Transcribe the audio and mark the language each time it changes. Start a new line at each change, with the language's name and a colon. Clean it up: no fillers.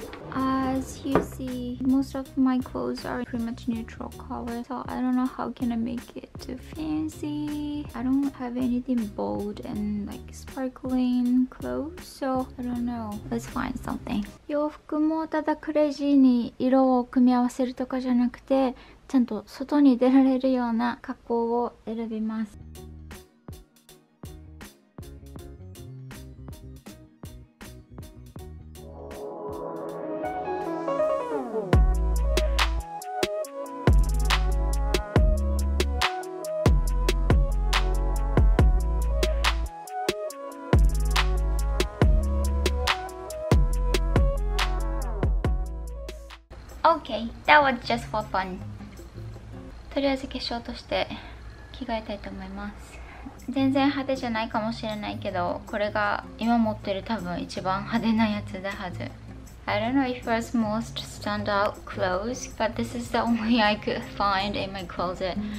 English: As you see, most of my clothes are pretty much neutral color, so I don't know how can I make it too fancy. I don't have anything bold and like sparkling clothes, so I don't know. Let's find something.
Japanese: 洋服もただクレイジーに色を組み合わせるとかじゃなくて、ちゃんと外に出られるような格好を選びます。
English: Okay, that was just for fun.
Japanese: とりあえず化粧として着替えたいと思います。全然派手じゃないかもしれないけど、これが今持ってる多分一番派手なやつだはず。
English: I don't know if it was most standout clothes, but this is the only I could find in my closet.